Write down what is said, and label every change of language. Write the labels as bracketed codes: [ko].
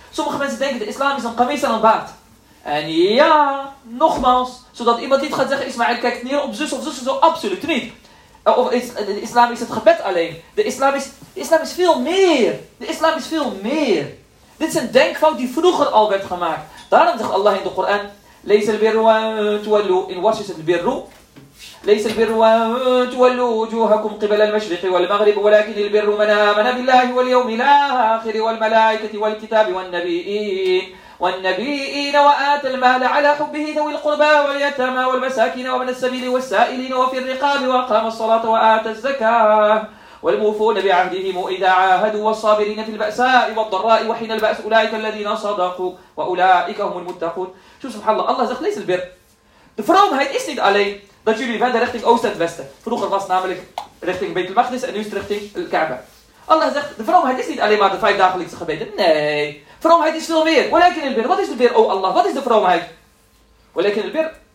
[nl] Sommige mensen denken de islam is een kamees en een baard. En ja, nogmaals, zodat iemand niet gaat zeggen, Ismaël kijkt neer op zus of zus, zo absoluut niet. Of de islam is het gebed alleen. De islam is veel meer. De islam is veel meer. Dit is een denkfout die vroeger al werd gemaakt. Daarom zegt Allah in de Koran, [ar] ليس البر تولوا إن ورشة البر ليس البر تولوا وجوهكم قبل المشرق والمغرب ولكن البر من آمن بالله واليوم الآخر والملائكة والكتاب والنبيين والنبيين وآت المال على حبه ذوي القربى واليتامى والمساكين وابن السبيل والسائلين وفي الرقاب وأقام الصلاة وآت الزكاة والموفون بعهدهم إذا عاهدوا والصابرين في البأساء والضراء وحين البأس أولئك الذين صدقوا وأولئك هم المتقون. شو سبحان الله, الله زخ ليس البر [nl] de vroomheid is niet alleen dat jullie wenden richting oost en westen. Vroeger was namelijk richting Beit al-Maqdis en nu is het richting al-Kaaba. Allah zegt, de vroomheid is niet alleen maar de vijf dagelijkse gebeden. Nee. Vroomheid is veel meer. [ar] Walakin al-Bir. [nl] Wat is de bir, o Allah? Wat is de vroomheid? Walakin al-Bir.